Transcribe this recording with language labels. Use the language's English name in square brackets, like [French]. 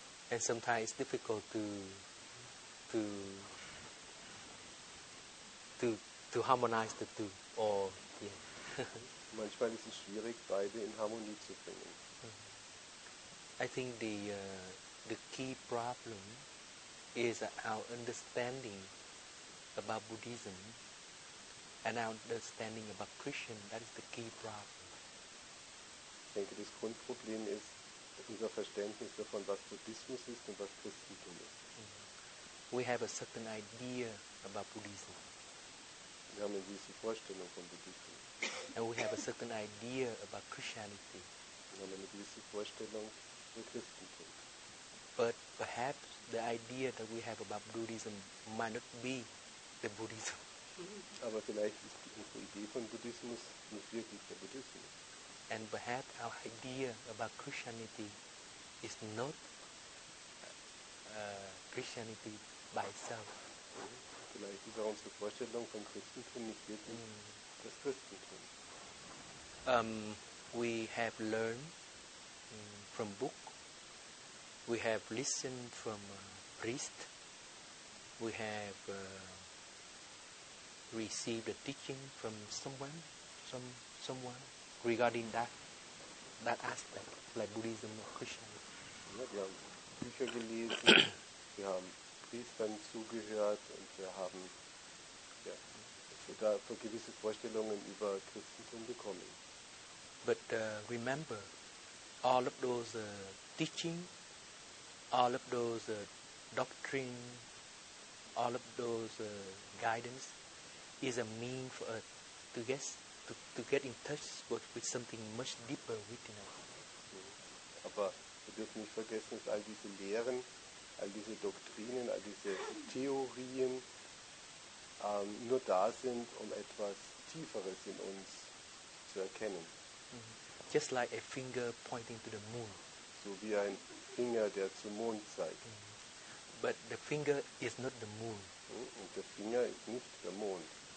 [English] And sometimes it's difficult to harmonize the two. Or yeah. [German] Manchmal ist es schwierig, beide in Harmonie zu bringen. [English] I think the key problem is our understanding about Buddhism and our understanding about Christian. That is the key problem. [German] Ich denke, das Grundproblem ist unser Verständnis davon, was Buddhismus ist und was Christentum ist. [English] We have a certain idea about Buddhism. [German] Wir haben eine gewisse Vorstellung von Buddhismus. [English] And we have a certain idea about Christianity. [German] Wir haben eine gewisse Vorstellung von Christentum. [English] But perhaps the idea that we have about Buddhism might not be the Buddhism. [German] Aber vielleicht ist unsere Idee von Buddhismus nicht wirklich der Buddhismus. [English] And perhaps our idea about Christianity is not Christianity by itself. [German] Vielleicht ist auch unsere Vorstellung von Christentum nicht wirklich das Christentum. [English] We have learned from book. We have listened from priest. We have received a teaching from someone. Regarding that aspect, like Buddhism or Christianity. [German] Ja, wir haben Bücher gelesen, wir haben Priestern zugehört und wir haben sogar gewisse Vorstellungen über Christentum bekommen. [English] But remember, all of those teaching, all of those doctrine, all of those guidance is a mean for us to guess. To get in touch with something much deeper within us. [German] Aber wir dürfen nicht vergessen, dass all diese Lehren, all diese Doktrinen, all diese Theorien nur da sind, um etwas Tieferes in uns zu erkennen. [English] Just like a finger pointing to the moon. [German] So wie ein Finger, der zum Mond zeigt. [English] But the finger is not the moon. [German] Und der Finger ist nicht der Mond.